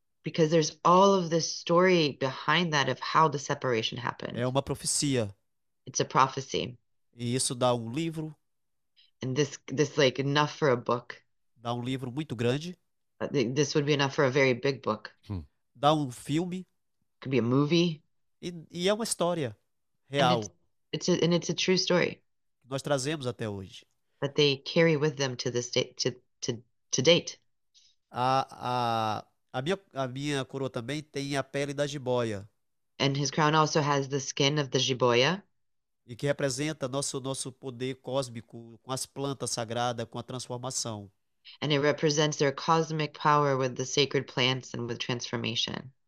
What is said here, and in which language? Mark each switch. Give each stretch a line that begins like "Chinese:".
English: Because there's all of this story behind that of how the separation
Portuguese: É
English: happened.
Portuguese: uma profecia.
English: It's a prophecy.
Portuguese: E isso dá um livro.
English: And this like enough for a book.
Portuguese: Dá um livro muito grande.
English: This would be enough for a very big book.
Portuguese: Dá um filme.
English: Could be a movie.
Portuguese: E é uma história
English: And
Portuguese: real.
English: it's a true story
Portuguese: Nós trazemos até hoje.
English: that they carry with them to this day, to date.
Portuguese: A minha coroa também tem a pele da jiboia.
English: And his crown also has the skin of the jiboia.
Portuguese: E que representa nosso poder cósmico com as plantas sagradas, com a transformação.
English: And it represents their cosmic power with the sacred plants and with transformation.